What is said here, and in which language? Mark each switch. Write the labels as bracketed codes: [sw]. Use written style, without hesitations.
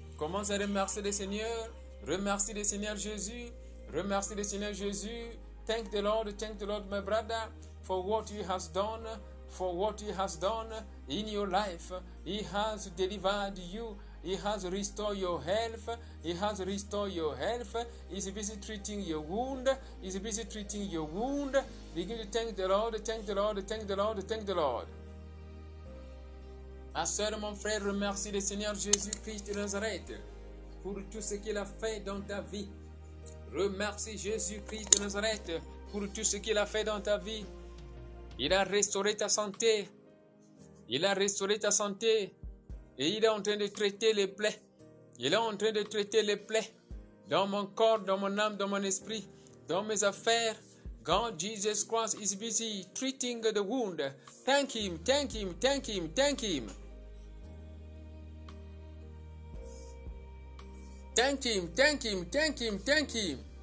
[fr] Commence à remercier le Seigneur. Remercie le Seigneur Jésus. Remercie le Seigneur Jésus. [en] Thank the Lord. Thank the Lord, my brother, for what he has done. For what he has done in your life. He has delivered you. He has restored your health. He has restored your health. He's busy treating your wound. He's busy treating your wound. Begin to thank the Lord. Thank the Lord. Thank the Lord. Thank the Lord. [fr] Ma soeur, mon frère, remercie le Seigneur Jésus-Christ de Nazareth pour tout ce qu'il a fait dans ta vie. Remercie Jésus-Christ de Nazareth pour tout ce qu'il a fait dans ta vie. Il a restauré ta santé. Il a restauré ta santé. Et il est en train de traiter les plaies. Il est en train de traiter les plaies dans mon corps, dans mon âme, dans mon esprit, dans mes affaires. [en] God Jesus Christ is busy treating the wound. Thank him, thank him, thank him, thank him. Thank him, thank him, thank him, thank him.